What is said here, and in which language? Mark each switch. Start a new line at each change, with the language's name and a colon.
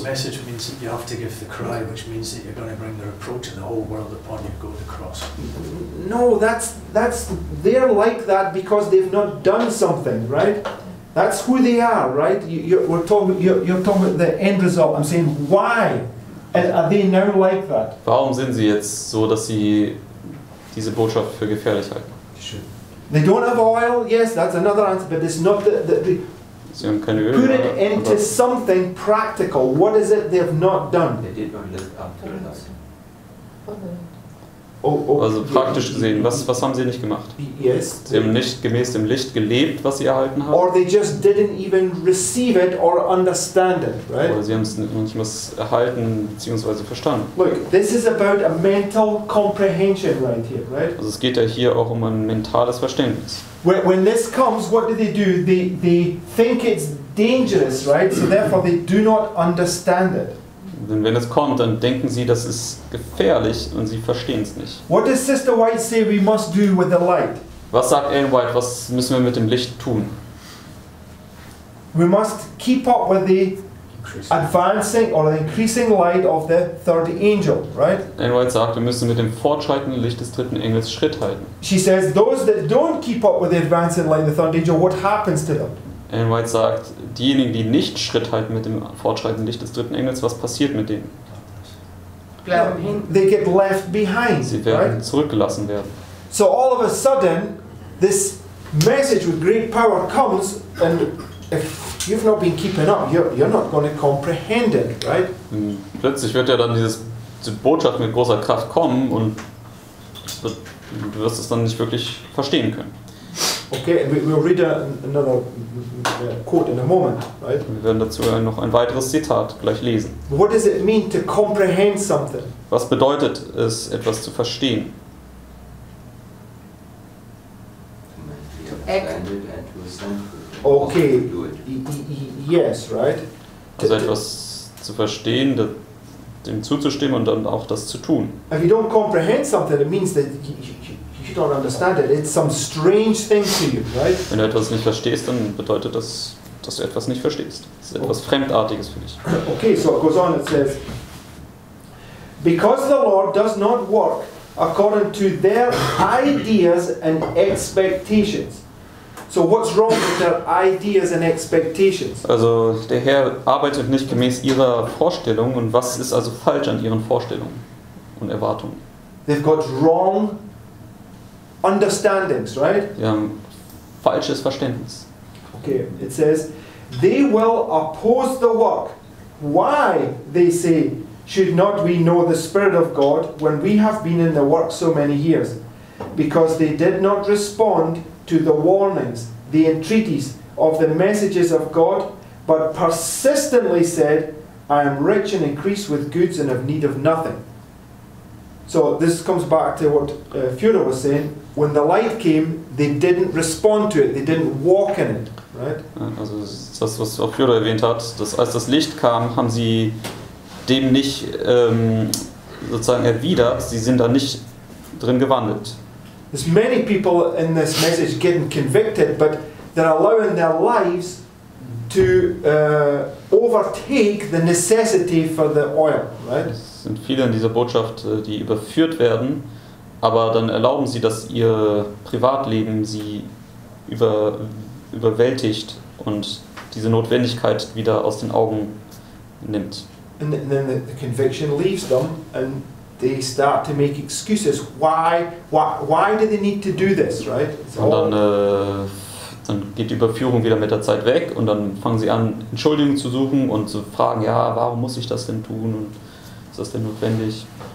English: Message means that you have to give the cry, which means that you're going to bring the reproach of the whole world upon you, go to the cross. No, that's they're like that because they've not done something, right? That's who they are, right? You're talking about the end result. I'm saying why are they now like that?
German: Warum sind sie jetzt so, dass sie diese Botschaft für gefährlich halten?
English: They don't have oil. Yes, that's another answer, but it's not the
German: sie haben keine Öl,
English: put it into something practical. What is it they have not done? They did not live up to the lesson.
German: Also praktisch gesehen, was haben sie nicht gemacht?
English: Yes.
German: Sie haben nicht gemäß dem Licht gelebt, was sie erhalten haben.
English: Or they just didn't even receive it or understand it, right?
German: Oder sie haben es manchmal erhalten bzw. verstanden.
English: Look, this is about a mental comprehension right here, right?
German: Also es geht ja hier auch um ein mentales Verständnis.
English: When this comes, what do? They think it's dangerous, right? So therefore they do not understand it.
German: Denn wenn es kommt, dann denken sie, das ist gefährlich und sie verstehen es nicht.
English: What does Sister White say we must do with the light?
German: Was sagt Anne White, was müssen wir mit dem Licht tun?
English: We must keep up with the advancing or increasing light of the third angel, right?
German: Anne White sagt, wir müssen mit dem fortschreitenden Licht des dritten Engels Schritt halten.
English: She says, those that don't keep up with the advancing light of the third angel, what happens to them?
German: Anne White sagt, diejenigen, die nicht Schritt halten mit dem fortschreitenden Licht des dritten Engels, was passiert mit denen?
English: They get left behind.
German: Sie werden
English: right?
German: zurückgelassen werden.
English: So all of a sudden, this message with great power comes, and if you've not been keeping up, you're not going to comprehend it, right?
German: Plötzlich wird ja dann diese Botschaft mit großer Kraft kommen und du wirst es dann nicht wirklich verstehen können.
English: Okay, we'll read another quote in a moment, right?
German: Wir werden dazu noch ein weiteres Zitat gleich lesen.
English: What does it mean to comprehend something?
German: Was bedeutet es, etwas zu verstehen?
English: To act. Okay, yes, right?
German: Also etwas zu verstehen, dem zuzustimmen und dann auch das zu tun.
English: If you don't comprehend something, it means that you don't understand it. It's some strange thing to you, right?
German: Wenn du etwas nicht verstehst, dann bedeutet das, dass du etwas nicht verstehst. Es ist etwas Fremdartiges für dich.
English: Okay, so it goes on. It says, because the Lord does not work according to their ideas and expectations. So what's wrong with their ideas and expectations?
German: Also der Herr arbeitet nicht gemäß ihrer Vorstellungen. Und was ist also falsch an ihren Vorstellungen und Erwartungen?
English: They've got wrong understandings, right?
German: Ja, falsches Verständnis.
English: Okay, it says, they will oppose the work. Why, they say, should not we know the Spirit of God when we have been in the work so many years? Because they did not respond to the warnings, the entreaties of the messages of God, but persistently said, I am rich and increased with goods and have need of nothing. So this comes back to what Fiona was saying. When the light came, they didn't respond to it. They didn't walk in it, right?
German: Also das, was auch Fiona erwähnt hat, dass als das Licht kam, haben sie dem nicht sozusagen erwidert. Sie sind da nicht drin gewandelt.
English: There's many people in this message getting convicted, but they're allowing their lives to overtake the necessity for the oil, right?
German: Es sind viele in dieser Botschaft, die überführt werden, aber dann erlauben sie, dass ihr Privatleben sie überwältigt und diese Notwendigkeit wieder aus den Augen nimmt.
English: And then the conviction leaves them and they start to make excuses. Why do they need to do this, right?
German: Und dann dann geht die Überführung wieder mit der Zeit weg und dann fangen sie an, Entschuldigungen zu suchen und zu fragen, ja, warum muss ich das denn tun und ist das denn notwendig?